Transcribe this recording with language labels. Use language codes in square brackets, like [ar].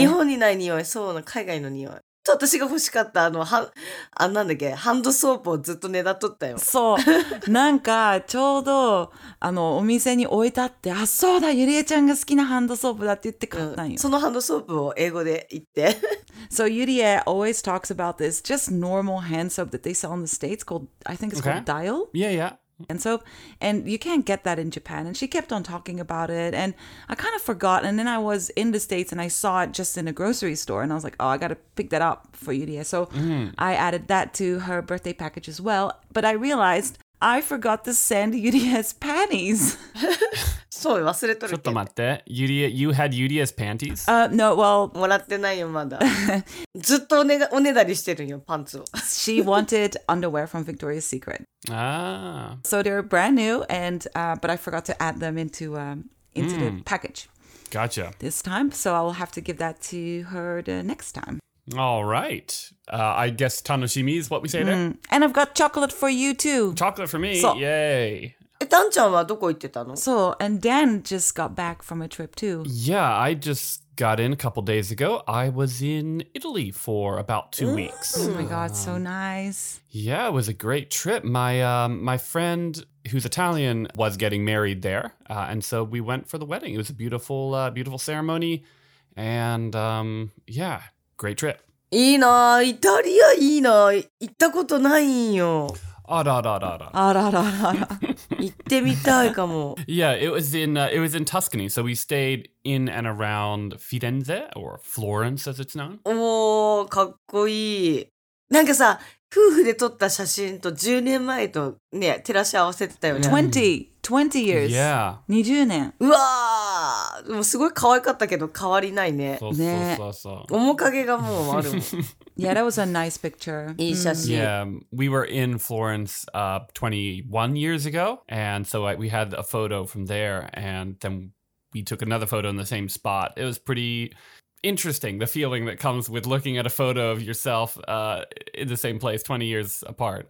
[ja] 日本にない匂い、そうな、海外の匂い。ちょっと私が欲しかったなんだっけ、ハンドソープをずっとねだっとったよ。そう。なんか、ちょうど、お店に置いてあって、あ、そうだ、ゆりえちゃんが好きなハンドソープだって言って買ったんよ。うん、そのハンドソープを英語で言って。 [en] So, Yurie always talks about this just normal hand soap that they sell in the States called, I think it's called Dial. Yeah, yeah. And soap, and you can't get that in Japan. And she kept on talking about it, and I kind of forgot. And then I was in the States, and I saw it just in a grocery store, and I was like, "Oh, I gotta pick that up for Yurie." So I added that to her birthday package as well. But I realized I forgot to send Yurie's panties. [ja] そう、忘れとる。ちょっと待って、 [en] Yurie, you had Yurie's panties? No. Well, [ja] もらってないよまだ。ずっとおねだりしてるよパンツを。 [en] She wanted underwear from Victoria's Secret. So they're brand new, and but I forgot to add them into the package. Gotcha. This time, so I'll have to give that to her the next time. All right. I guess 楽しみ is what we say there. And I've got chocolate for you too. Chocolate for me. So, yay. [ja] Dan ちゃんはどこ行ってたの? [en] So, and Dan just got back from a trip too. Yeah, I just got in a couple days ago. I was in Italy for about 2 weeks. Oh my God, so nice. Yeah, it was a great trip. My friend, who's Italian, was getting married there. And so we went for the wedding. It was a beautiful, beautiful ceremony. And yeah, great trip. [ja] いいな、イタリアいいな。行ったことないよ。あらららら。あららら。行ってみたいかも。 [en] Yeah, it was in Tuscany, so we stayed in and around Firenze, or Florence as it's known. [ja] おー、かっこいい。なんかさ、夫婦で撮った写真と10年前とね、照らし合わせてたよね。 [en] 20! 20! 20 years. Yeah. [ja] 20年。うわー、でもすごい可愛かったけど変わりないね。そうそうそうそう。ね、面影がもうある [en] もん。Yeah, that was a nice picture. [ja] いい写真。 [en] Yeah, we were in Florence 21 years ago, and so we had a photo from there, and then we took another photo in the same spot. It was pretty... interesting, the feeling that comes with looking at a photo of yourself in the same place 20 years apart.